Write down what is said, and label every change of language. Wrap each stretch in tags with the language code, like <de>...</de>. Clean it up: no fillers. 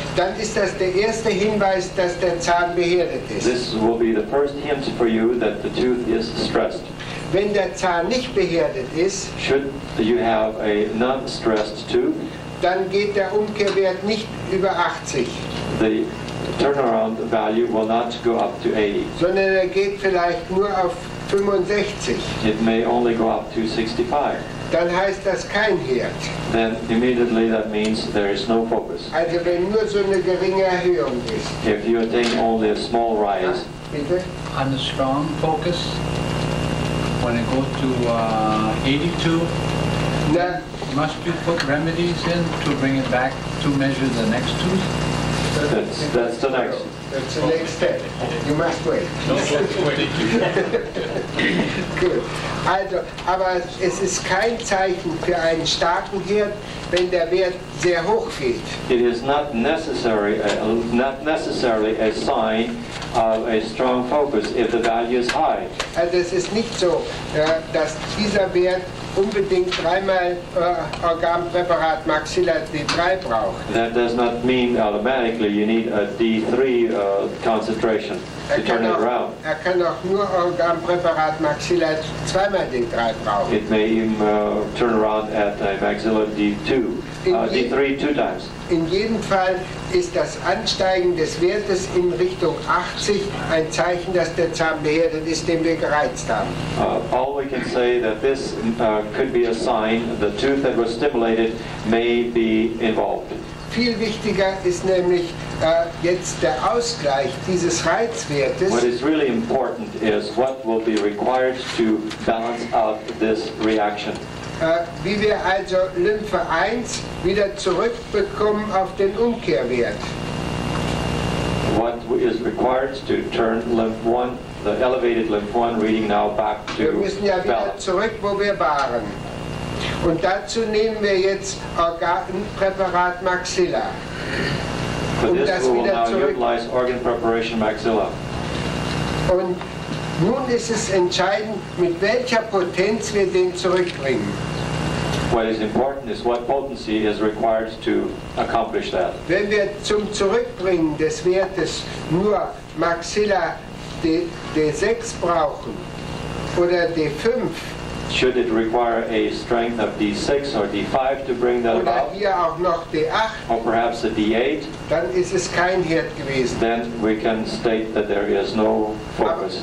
<de>Dann ist das der erste Hinweis, dass der Zahn beherdet ist.</de> <en>This will be the first hint for you that the tooth is stressed.</en> <de>Wenn der Zahn nicht beherdet ist,</de> <en>should you have a non-stressed tooth,</en> <de>dann geht der Umkehrwert nicht über 80.</de> <en>The turnaround value will not go up to 80.</en> <de>Sondern er geht vielleicht nur auf 65.</de> <en>It may only go up to 65.</en> <de>Dann heißt das kein Herd.</de> <en>Then immediately that means there is no focus.</en> <de>Also wenn nur so eine geringe Erhöhung ist.</de> <en>If you attain only a small rise.</en> <de>Bitte?</de> <en>On the strong focus, when it goes to 82, na, must you put remedies in to bring it back to measure the next tooth? That's the next. That's the next step. You must wait. Don't wait.</en> <de>Gut. Also, aber es ist kein Zeichen für einen starken Hirn, wenn der Wert sehr hoch fällt.</de> <en>It is not necessary, not necessarily a sign of a strong focus if the value is high.</en> <de>Also es ist nicht so, dass dieser Wert unbedingt dreimal Organpräparat Maxilla D3 braucht.</de> <en>That does not mean automatically you need a D3 concentration.</en> <de>Er kann auch nur Organpräparat Maxilla zweimal D3 brauchen.</de> <en>It may even turn around at Maxilla D2, D3 two times.</en> <de>In jedem Fall ist das Ansteigen des Wertes in Richtung 80 ein Zeichen, dass der Zahn beherdet ist, den wir gereizt haben.</de> <en>All we can say that this could be a sign the tooth that was stimulated may be involved.</en> <de>Viel wichtiger ist nämlich jetzt der Ausgleich dieses Reizwertes.</de> <en>What is really important is what will be required to balance out this reaction.</en> <de>Wie wir also Lymphe 1 wieder zurückbekommen auf den Umkehrwert.</de> <en>What is required to turn Lymph 1, the elevated Lymph 1 reading now back to balance.</en> <de>Wir müssen ja wieder zurück, wo wir waren. Und dazu nehmen wir jetzt Organpräparat Maxilla.</de> <en>For this, we will now utilize organ preparation Maxilla.</en> <de>Und nun ist es entscheidend, mit welcher Potenz wir den zurückbringen.</de> <en>What is important is what potency is required to accomplish that.</en> <de>Wenn wir zum Zurückbringen des Wertes nur Maxilla D6 brauchen oder D5,</de> <en>should it require a strength of D6 or D5 to bring that</en> <de>oder</de> <en>about?</en> <de>Hier auch noch D8,</de> <en>or perhaps a D8?</en> <de>Dann ist es kein Herd gewesen.</de> <en>Then we can state that there is no focus.</en>